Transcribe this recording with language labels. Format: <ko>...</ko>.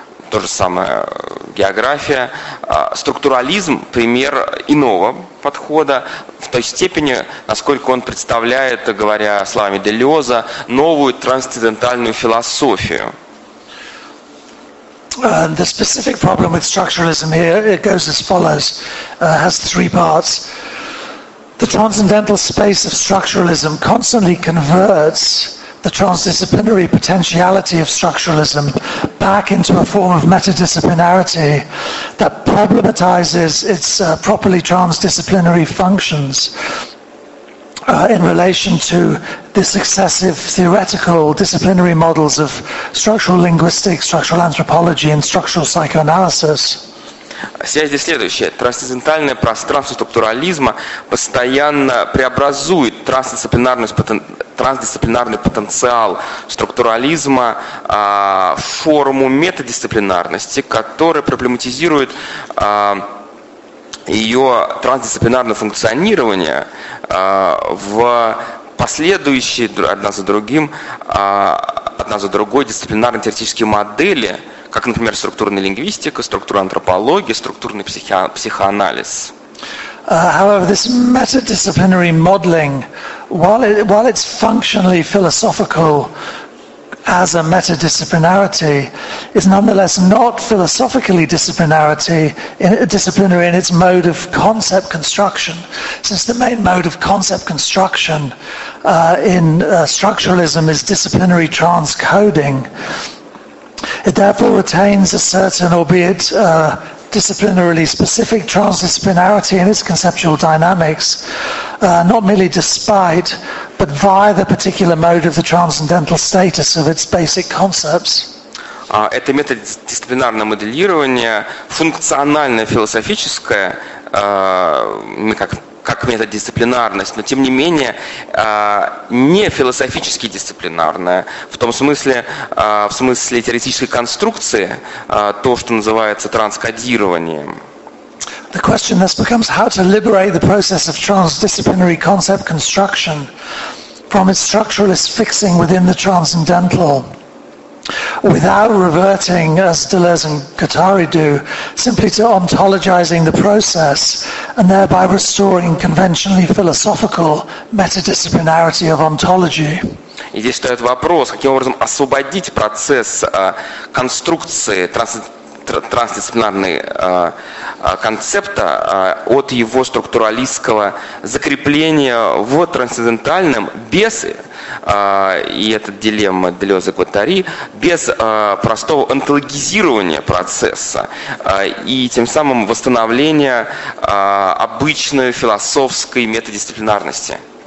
<ru>То же самое география. Структурализм – пример иного подхода в той степени, насколько он представляет, говоря словами Делёза, новую трансцендентальную философию.</ru> <en>The specific problem with structuralism here, it goes as follows, has three parts. The transcendental space of structuralism constantly converts the transdisciplinary potentiality of structuralism back into a form of metadisciplinarity that problematizes its properly transdisciplinary functions in relation to the successive theoretical disciplinary models of structural linguistics, structural anthropology, and structural psychoanalysis.</en> <ru>Связь здесь следующая. Трансцендентальное пространство структурализма постоянно преобразует трансдисциплинарный потенциал структурализма в форму метадисциплинарности, которая проблематизирует ее трансдисциплинарное функционирование в последующие одна за другой дисциплинарно-теоретические модели, как, например, структурная лингвистика, структура антропологии, структурный психоанализ.</ru> <en>However, this metadisciplinary modeling, while it's functionally philosophical as a metadisciplinarity, is nonetheless not philosophically disciplinary in its mode of concept construction, since the main mode of concept construction in structuralism is disciplinary transcoding. It therefore retains a certain, albeit disciplinarily specific, transdisciplinarity in its conceptual dynamics, not merely despite, but via the particular mode of the transcendental status of its basic concepts.</en> <ru>Это метадисциплинарное моделирование, функциональное, философическое, как метадисциплинарность, но тем не менее не философически дисциплинарная, в том смысле, в смысле теоретической конструкции, то, что называется транскодированием.</ru> <en>The question thus becomes how to liberate the process of transdisciplinary concept construction from its structuralist fixing within the transcendental, without reverting, as Deleuze and Guattari do, simply to ontologizing the process and thereby restoring conventionally philosophical metadisciplinarity of ontology.</en> <ru>И здесь стоит вопрос, каким образом освободить процесс конструкции трансдисциплинарной концепта от его структуралистского закрепления в трансцендентальном без, и это дилемма Делеза Гватари, без простого онтологизирования процесса и тем самым восстановления обычной философской метадисциплинарности.</ru>